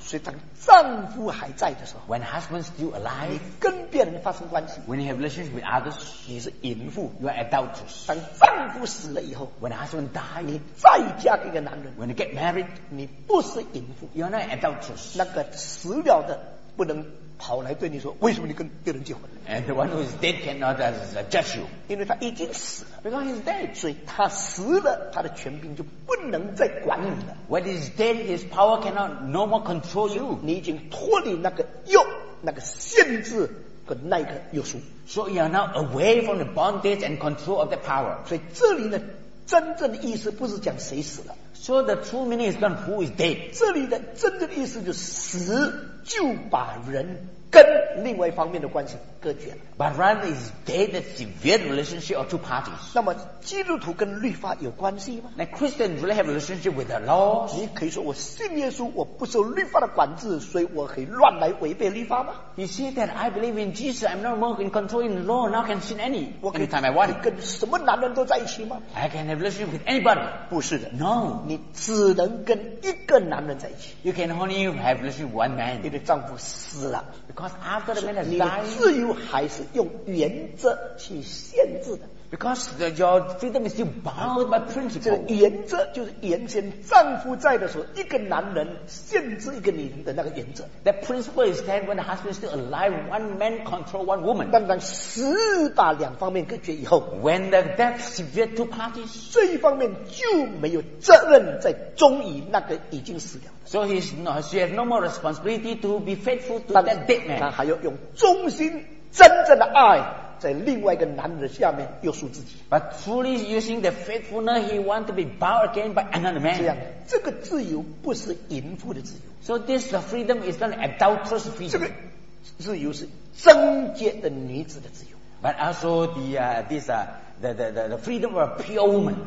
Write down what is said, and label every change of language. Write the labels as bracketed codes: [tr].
[zh] 所以当丈夫还在的时候 [en] when husband's still alive. [zh] 你跟别人发生关系 [en] when you have relationship with others. [zh] 你是淫妇 [en] you are adulterous. [zh] 当丈夫死了以后 [en] when husband died. [zh] 你再嫁给一个男人 [en] when you get married. [zh] 你不是淫妇 [en] you are not adulterous. [zh] 那个死了的不能跑来对你说为什么你跟别人结婚 [en] and the one who is dead cannot judge you [zh] 因为他已经死了 [en] because he's dead [zh] 所以他死了他的权柄就不能再管你了 [en] when he's dead his power cannot no more control you [zh] 你已经脱离那个约那个限制和那个约束 [en] so you are now away from the bondage and control of the power [zh] 所以这里的真正的意思不是讲谁死了 [en] so the true meaning is not who is dead [zh] 这里的真正的意思就是死就把人跟另外一方面的关系隔绝了。 [en] But rather is there a severe relationship of two parties? [zh] 那么基督徒跟律法有关系吗 [en] ？Now Christians really have a relationship with the law? [zh] 你可以说我信耶稣，我不受律法的管制，所以我可以乱来违背律法吗 [en] ？You see that I believe in Jesus, I'm no more in control in the law, now can sin any anytime I want. [zh] 我跟什么男人都在一起吗 [en] ？I can have a relationship with anybody. [zh] 不是的 [en] ，No. [zh] 你只能跟一个男人在一起。 [en] You can only have a relationship with one man. [zh] 你的丈夫死了。 [en] Because after the man has died, [zh] 你的自由还是用原则去限制的。 [en] Because the, your freedom is still bound by principle. [zh] 这个原则就是原先丈夫在的时候，一个男人限制一个女人的那个原则。 [en] That principle is that when the husband is still alive, one man control one woman. [zh] 但当死把两方面隔绝以后 [en] ，when the death severed two parties, [zh] 这一方面就没有责任在忠于那个已经死了。 [en] So he's not, she has no more responsibility to be faithful to that dead man. [zh] 他还要用忠心真正的爱。在另外一个男人下面约束自己 [en] But truly using the faithfulness He wants to be bound again by another man [zh] 这样这个自由不是淫妇的自由 [en] So this freedom is not adulterous freedom [zh] 这个自由是贞洁的女子的自由 [en] But also the, this, the freedom of a pure woman